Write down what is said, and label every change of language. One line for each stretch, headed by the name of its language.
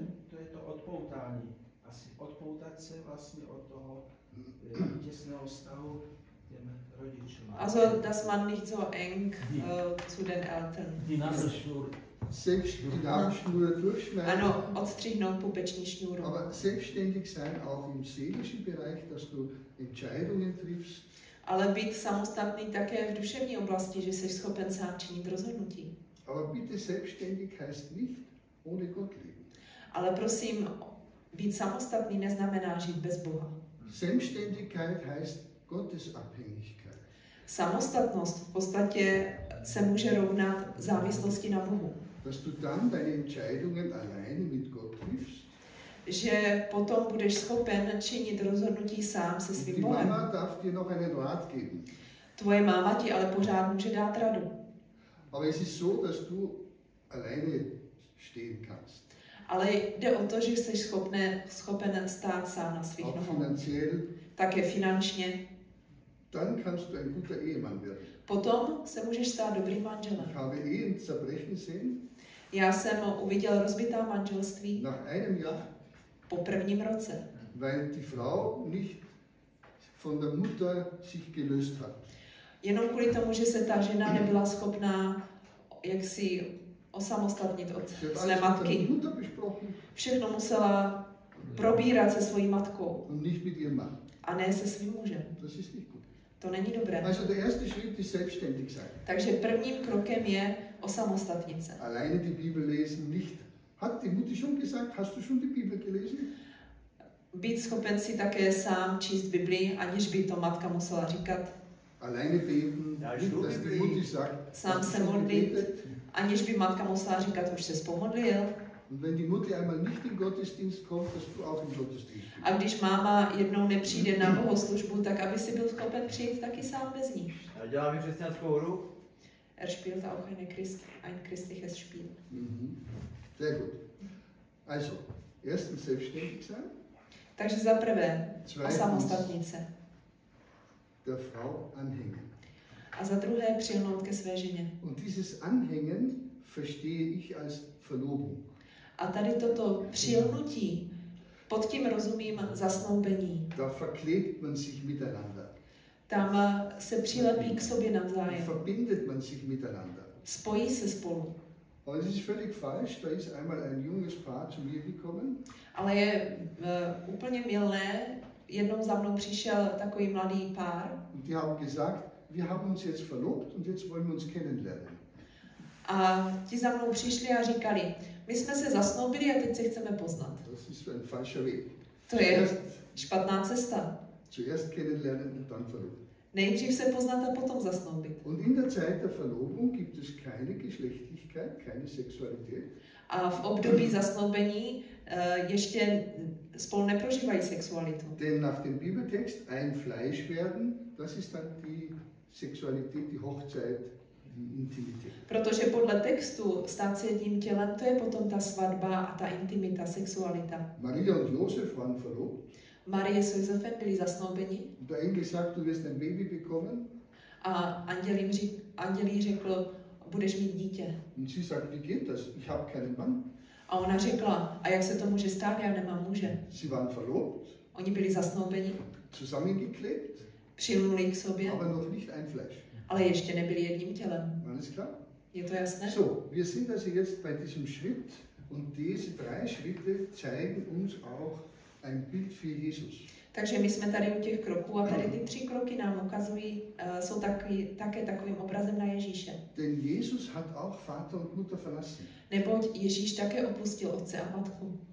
Czech: To je to odpoutání, asi odpoutat se vlastně od toho těsného vztahu těm rodičům.
German: Also, dass man nicht so eng zu den Eltern ist. Selbst die Darmschnur durchschneiden.
Czech: Ano, odstřihnout pupeční šňůru.
German: Aber selbstständig sein auch im seelischen Bereich, dass du Entscheidungen triffst.
Czech: Ale být samostatný také v duševní oblasti, že jsi schopen sám činit rozhodnutí.
German: Aber bitte selbstständig heißt nicht ohne Gott leben.
Czech: Ale prosím, být samostatný neznamená žít bez Boha.
German: Selbstständigkeit heißt Gottesabhängigkeit.
Czech: Samostatnost v podstatě se může rovnat závislosti na Bohu.
German: Dass du dann deine Entscheidungen alleine mit Gott triffst.
Czech: Že potom budeš schopen činit rozhodnutí sám se svým Bohem.
German: Die Mama darf dir noch einen Rat geben.
Czech: Tvoje máma ti ale pořád může dát radu.
German: Aber es ist so, dass du alleine stehen kannst.
Czech: Ale jde o to, že jsi schopen stát sám na svých nohou.
German: Auch finanziell.
Czech: Také finančně.
German: Dann kannst du ein guter Ehemann werden.
Czech: Potom se můžeš stát dobrým manželem.
German: Ich habe Ehen zerbrechen sehen.
Czech: Já jsem uviděl rozbitá manželství.
German: Nach einem Jahr.
Czech: Po prvním roce.
German: Weil die Frau nicht von der Mutter sich gelöst hat.
Czech: Jenom kvůli tomu, že se ta žena nebyla schopná jaksi osamostatnit od své matky. Všechno musela probírat se svojí matkou.
German: Und nicht mit ihrem Mann.
Czech: A ne se svým mužem.
German: Das ist nicht gut.
Czech: To není dobré.
German: Also der erste Schritt ist selbstständig sein.
Czech: Takže prvním krokem je osamostatnit se.
German: Alleine die Bibel lesen nicht. Hat die Mutti schon gesagt, hast du schon die Bibel gelesen?
Czech: Být schopen si také sám číst Biblii, aniž by to matka musela říkat.
German: Alleine beten, dass die Mutti sagt,
Czech: sám se modlit, aniž by matka musela říkat, už ses pomodlil.
German: Und wenn die Mutter einmal nicht in Gottesdienst kommt, dass du auch in Gottesdienst bist.
Czech: A když máma jednou nepřijde na bohoslužbu, tak aby si byl schopen přijít taky sám bez ní. A dělám křesťanskou hru.
German: Er spielt auch ein christliches Spiel. Sehr gut. Also, erstens selbstständig sein.
Czech: Takže za prvé, osamostatnit se.
German: Der Frau anhängen.
Czech: a za druhé přilnout ke své ženě.
German: Und dieses Anhängen verstehe ich als Verlobung.
Czech: A tady toto přilnutí, pod tím rozumím zasnoubení.
German: Da verklebt man sich miteinander.
Czech: Tam se přilepí k sobě navzájem.
German: Da verbindet man sich miteinander.
Czech: Spojí se spolu.
German: Und es ist völlig falsch, da ist einmal ein junges Paar zu mir gekommen.
Czech: Ale je úplně mylné, jednou za mnou přišel takový mladý pár.
German: Und die haben gesagt, wir haben uns jetzt verlobt und jetzt wollen wir uns kennenlernen.
Czech: A ti za mnou přišli a říkali, my jsme se zasnoubili a teď se chceme poznat.
German: Das ist ein falscher Weg.
Czech: To je špatná cesta.
German: Zuerst kennenlernen und dann verloben.
Czech: Nejdřív se poznat a potom zasnoubit.
German: Und in der Zeit der Verlobung gibt es keine Geschlechtlichkeit, keine Sexualität.
Czech: A v období zasnoubení ještě spolu neprožívají sexualitu.
German: Denn nach dem Bibeltext ein Fleisch werden, das ist dann die Sexualität, die Hochzeit, die Intimität.
Czech: Protože podle textu stát se jedním tělem, to je potom ta svatba a ta intimita, sexualita.
German: Maria und Josef waren verlobt.
Czech: Marie s Josefem byli zasnoubeni.
German: Der Engel sagt, du wirst ein Baby bekommen.
Czech: A anděl jim řekl, budeš mít dítě.
German: Und sie sagt, wie geht das? Ich habe keinen Mann.
Czech: A ona řekla, a jak se to může stát, já nemám muže.
German: Sie waren verlobt.
Czech: Oni byli zasnoubeni.
German: Zusammengeklebt.
Czech: Přilnuli k sobě.
German: Aber noch nicht ein Fleisch.
Czech: Ale ještě nebyli jedním tělem.
German: Alles klar?
Czech: Je to jasné?
German: So, wir sind also jetzt bei diesem Schritt und diese drei Schritte zeigen uns auch ein Bild für Jesus.
Czech: Takže my jsme tady u těch kroků a tady ty tři kroky nám ukazují, jsou taky, také takovým obrazem na Ježíše.
German: Denn Jesus hat auch Vater und Mutter verlassen.
Czech: Neboť Ježíš také opustil otce a matku.